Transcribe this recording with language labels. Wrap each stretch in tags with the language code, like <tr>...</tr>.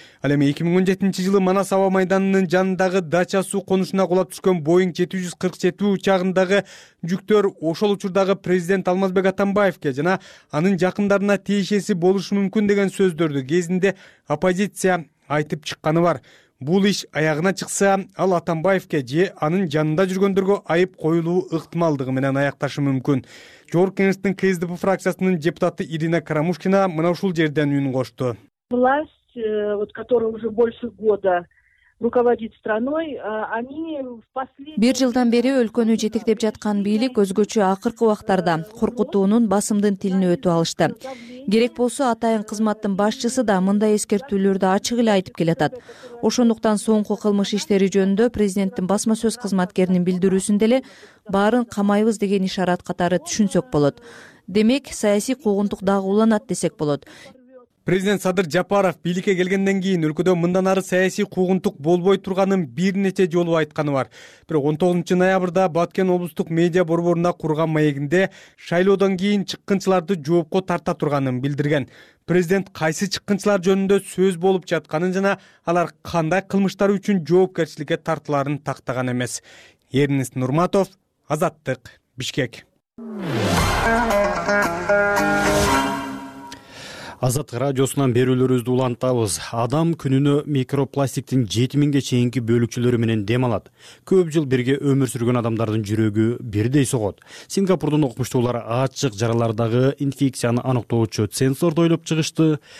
<ky>Ал эми 2017 жылы Манас аба майданынын жанындагы дача суу конушуна кулап түшкөн Боинг 747 учагындагы жүктөр ошол учурдагы президент Алмазбек Атамбаевке жана анын жакындарына тиешеси болушу мүмкүн деген сөздөрдү кезинде оппозиция айтып чыкканы бар. Бул иш аягына чыкса, ал Атамбаевке же анын жанында жүргөндөргө айып коюлуу ыктымалдыгы менен аякташы мүмкүн. Жогорку кеңештин КСДП фракциясынын депутаты Ирина Карамушкина мына ушул жерден үн кошту.</ky> <ru>Власть, которая уже больше года руководит страной, они в последние</ru> <ky>бир жылдан бери өлкөнү жетектеп жаткан бийлик өзгөчө акыркы убактарда коркутуунун басымдын тилин өтүп алышты. Керек болсо атайын кызматтын башчысы да мындай эскертүүлөрдү ачык эле айтып келатат. Ошондуктан соңку кылмыш иштери жөнүндө президенттин басма сөз кызматкеринин билдирүүсүндө эле баарын камайбыз деген ишарат катары түшүнсөк болот. Демек саясий куугунтук дагы уланат десек болот. Президент Садыр Жапаров бийликке келгенден кийин өлкөдө мындан ары саясий куугунтук болбой турганын бир нече жолу айтканы бар. Бирок 19 ноябрда Баткен облустук медиа борборунда курган маегинде шайлоодон кийин чыккынчыларды жоопко тарта турганын билдирген. Президент кайсы чыккынчылар жөнүндө сөз болуп жатканын жана алар кандай кылмыштар үчүн жоопкерчиликке тартыларын тактаган эмес. Эрнис Нурматов, Азаттык, Бишкек. Азаттык радиосунан берүүлөрүбүздү улантабыз. Адам күнүнө микропластиктин 7000ге чейинки бөлүкчөлөрү менен дем алат. Көп жыл бирге өмүр сүргөн адамдардын жүрөгү бирдей согот. Сингапурдун окумуштуулары ачык жаралардагы инфекцияны аныктоочу сенсорду ойлоп чыгышты.</ky>